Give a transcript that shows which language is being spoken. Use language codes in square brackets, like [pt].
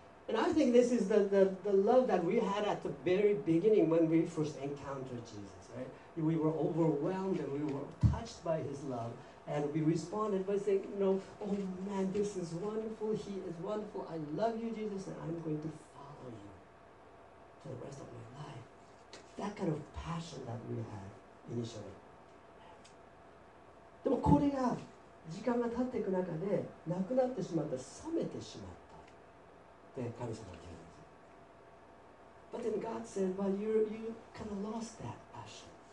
[en] And I think this is the love that we had at the very beginning when we first encountered Jesus, right? We were overwhelmed and we were touched by his love and we responded by saying, you know, oh man, this is wonderful, he is wonderful, I love you, Jesus, and I'm going to follow you for the rest of my life. That kind of passion that we had initially. [ja] でもこれが時間が経っていく中でなくなってしまった、冷めてしまったって神様は言うんです。 [en] But then God said, well, you kind of lost that passion.